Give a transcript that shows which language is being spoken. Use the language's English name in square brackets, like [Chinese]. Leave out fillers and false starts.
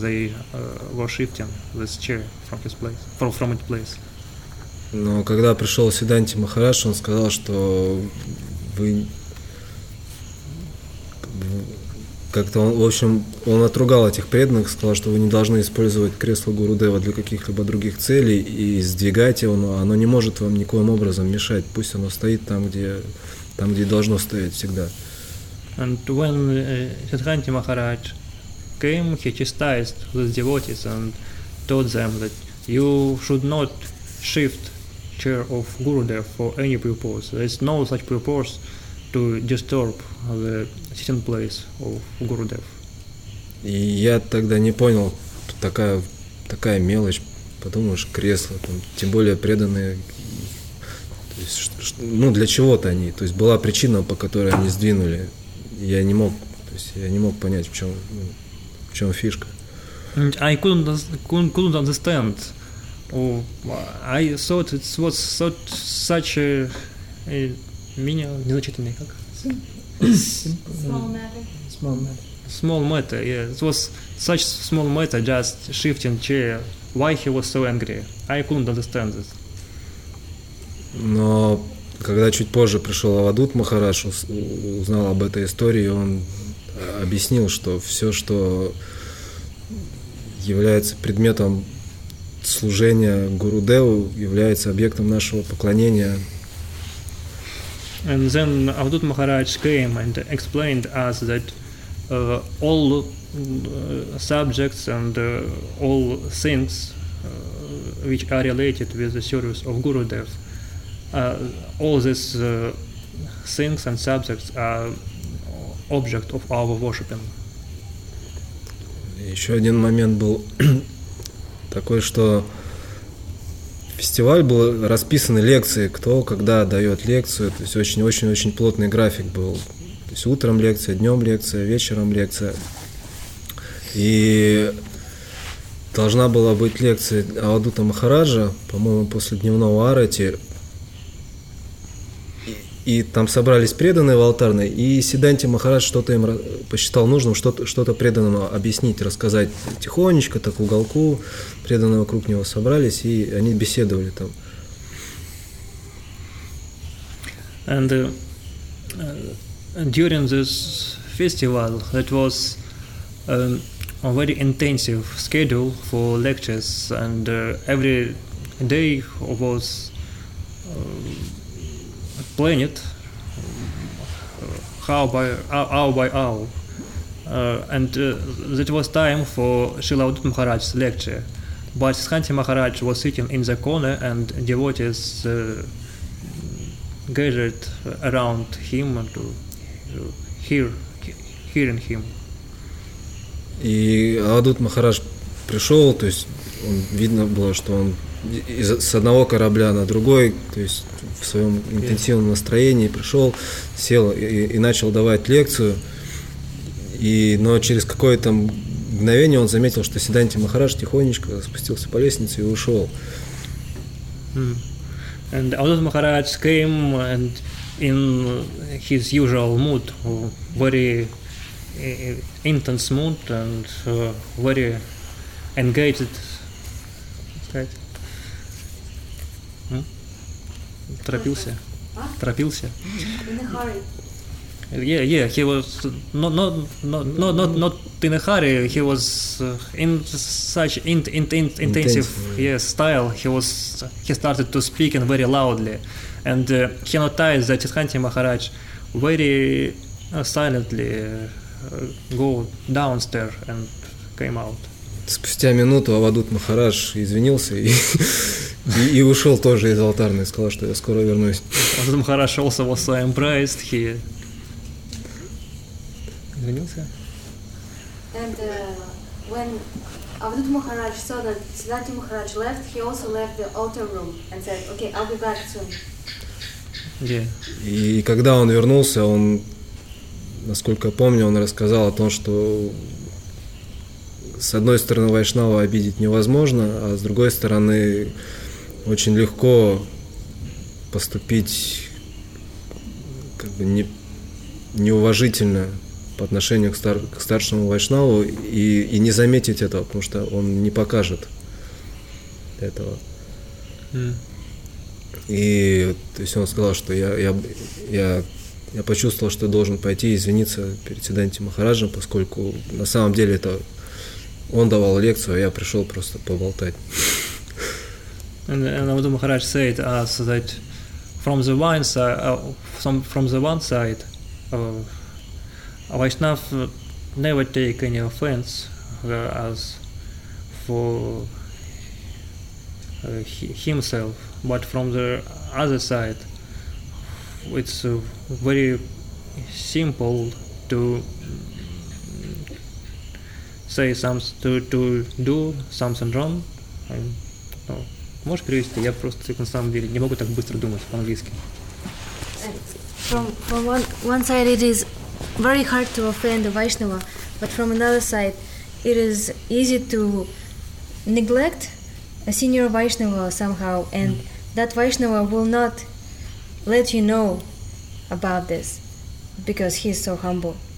[English] They were shifting this chair from his place, from its place. [Russian] Но когда пришел Сиддханти Махарадж, он сказал, что вы как-то, в общем, он отругал этих преданных, сказал, что вы не должны использовать кресло Гурудева для каких-либо других целей и сдвигать его, но оно не может вам никоим образом мешать, пусть оно стоит там, где должно стоять всегда. [English] And when Siddhanti Maharaj came, he chastised the devotees and told them that you should not shift chair of Gurudev for any purpose. There is no such purpose to disturb the sitting place of Gurudev. [Russian] И я тогда не понял, такая мелочь, подумаешь, кресло, там, тем более преданные, то есть, ну, для чего-то они, то есть была причина, по которой они сдвинули, я не мог понять, в чем фишка. [English] I couldn't understand. Oh, I thought it was such a minor, [Russian] незначительный, как? [English] Small matter, yeah. It was such small matter, just shifting chair. Why he was so angry? I couldn't understand it. [Russian] Но когда чуть позже пришел Авадут Махарадж, узнал об этой истории, он объяснил, что все, что является предметом служения Гурудеву, является объектом нашего поклонения. [English] And then Avadhuta Maharaj came and explained us that all subjects and all things which are related with the service of Gurudev, all these things and subjects are object of our worshiping. [Russian] Еще один момент был такой, что фестиваль был расписан лекции, кто когда дает лекцию, то есть очень-очень-очень плотный график был. То есть утром лекция, днем лекция, вечером лекция. И должна была быть лекция Авадута Махараджа, по-моему, после дневного арати. И там собрались преданные в алтарной, и Сиддханти Махарадж что-то им посчитал нужным, что-то преданному объяснить, рассказать тихонечко, так в уголку, преданные вокруг него собрались, и они беседовали там. [English] And during this festival, it was a very intensive schedule for lectures, and every day was plan it hour by hour, and that was time for Srila Avadhuta Maharaj's lecture. But Siddhanti Maharaj was sitting in the corner, and devotees gathered around him and to hearing him. [Russian] И Авадхута Махарадж пришел, то есть он, видно было, что он с одного корабля на другой, то есть в своем интенсивном настроении пришел, сел и начал давать лекцию. Но через какое-то мгновение он заметил, что Сиддханти Махарадж тихонечко спустился по лестнице и ушел. [English] And Avadhuta Maharaj came and in his usual mood, very intense mood and very engaged. [Russian] Торопился. торопился. [English] Yeah, he was not in a hurry. He was in such intensive style. He started to speak in very loudly, and he noticed that Chitkanti Maharaj very silently go downstairs and came out. [Russian] Спустя минуту Авадут Махарадж извинился и ушел тоже из алтарной, сказал, что я скоро вернусь. [English] Авадут Махарадж also was so embarrassed. He And when Avadhut Maharaj saw that Siddhanti Maharaj left, he also left the altar room and said, "Okay, I'll be back soon." Yeah. [Russian] И когда он вернулся, он, насколько я помню, он рассказал о том, что с одной стороны вайшнава обидеть невозможно, а с другой стороны очень легко поступить как бы неуважительно по отношению к старшему вайшнаву и не заметить этого, потому что он не покажет этого. И то есть он сказал, что я почувствовал, что должен пойти извиниться перед Сиддханти Махараджем, поскольку на самом деле это он давал лекцию, а я пришел просто поболтать. [English] And Avadhut Maharaj said us that from the one side Vaishnav never take any offense as for himself, but from the other side, it's very simple to say to do something wrong. [Russian] Можешь перевести? Я просто на самом деле не могу так быстро думать по-английски. [English] From one side, it is very hard to offend a Vaishnava, but from another side, it is easy to neglect a senior Vaishnava somehow, and that Vaishnava will not let you know about this because he is so humble.